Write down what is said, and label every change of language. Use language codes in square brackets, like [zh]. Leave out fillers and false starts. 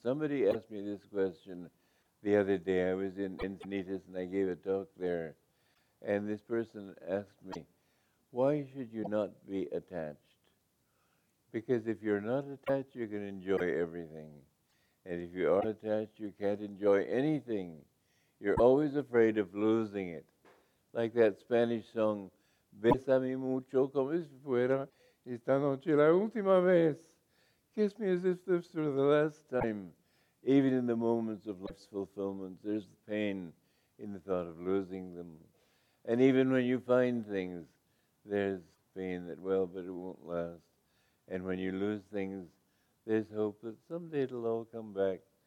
[en] Somebody asked me this question the other day. I was in Encinitas and I gave a talk there. And this person asked me, why should you not be attached? Because if you're not attached, you can enjoy everything. And if you are attached, you can't enjoy anything. You're always afraid of losing it. Like that Spanish song, [es] Bésame mucho como si fuera esta noche la última vez. [en] Kiss me as if this were the last time. Even in the moments of life's fulfillment, there's pain in the thought of losing them. And even when you find things, there's pain that, well, but it won't last. And when you lose things, there's hope that someday it'll all come back.